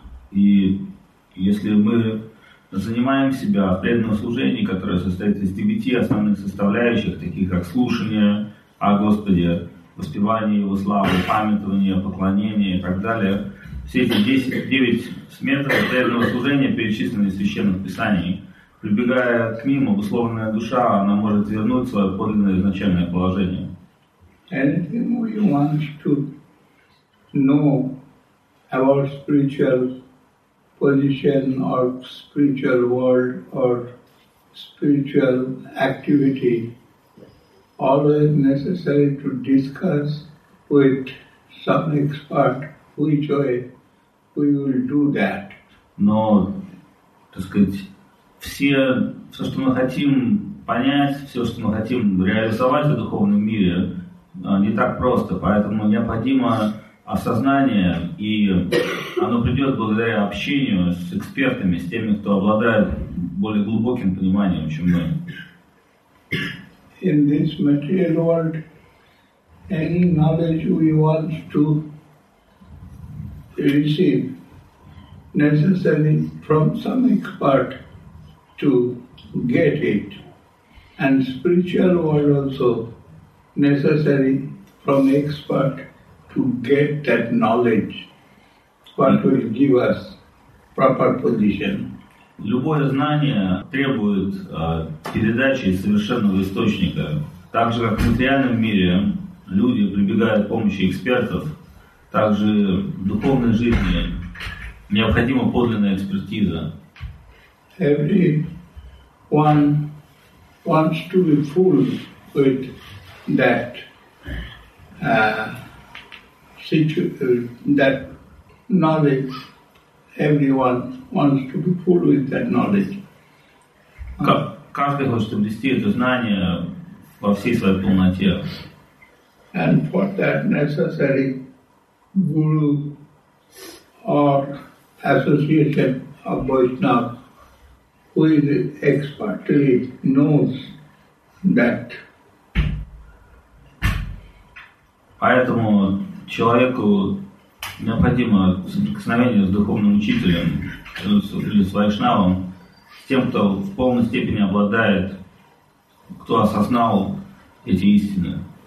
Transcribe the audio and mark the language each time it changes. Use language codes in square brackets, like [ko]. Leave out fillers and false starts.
[ru] И если мы занимаем себя в преданном служении, которое состоит из девяти основных составляющих, таких как слушание о Господе, воспевание Его славы, памятование, поклонение и так далее. Все эти 9 сметов преданного служения, перечисленные в Священных Писаниях, прибегая к ним, обусловленная душа, она может вернуть свое подлинное изначальное положение. [en] Anything you want to know about spiritual position or spiritual world or spiritual activity always necessary to discuss with some expert which way we will do that. [ru] Но, так сказать, все, что мы хотим понять, все, что мы хотим реализовать в духовном мире, не так просто. Поэтому необходимо осознание, и оно придет благодаря общению с экспертами, с теми, кто обладает более глубоким пониманием, чем мы. [en] In this material world, any knowledge we want to receive necessarily from some expert to get it, and spiritual world also necessary from expert to get that knowledge, what will give us proper position. [ru] Любое знание требует передачи из совершенного источника. Так же, как в материальном мире люди прибегают к помощи экспертов, так же в духовной жизни необходима подлинная экспертиза. [en] Everyone wants to be fooled with that that knowledge. Everyone wants to be full with that knowledge. [ru] Каждый хочет обрести это знание во всей своей полноте. [en] And for that necessary guru or association of Vaishnava who is expertly knows that. [ru] Поэтому человеку необходимо соприкосновение с духовным учителем или с вайшнавом, с тем, кто в полной степени обладает, кто осознал эти истины.